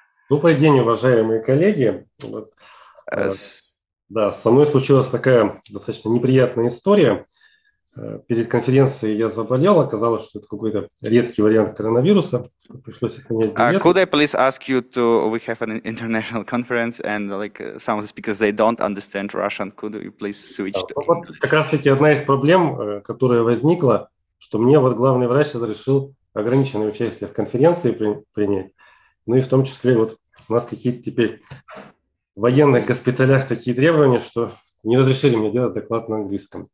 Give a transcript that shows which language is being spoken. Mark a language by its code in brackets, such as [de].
[ru] Добрый день, уважаемые коллеги. Вот. Да, со мной случилась такая достаточно неприятная история. Перед конференцией я заболел, оказалось, что это какой-то редкий вариант коронавируса. Пришлось сохранять билет. [en] Could I please ask you to, we have an international conference and like some of the speakers, they don't understand Russian. Could you please switch to... [ru] Вот как раз-таки одна из проблем, которая возникла, что мне вот главный врач разрешил ограниченное участие в конференции принять. Ну и в том числе вот у нас какие-то теперь в военных госпиталях такие требования, что не разрешили мне делать доклад на английском.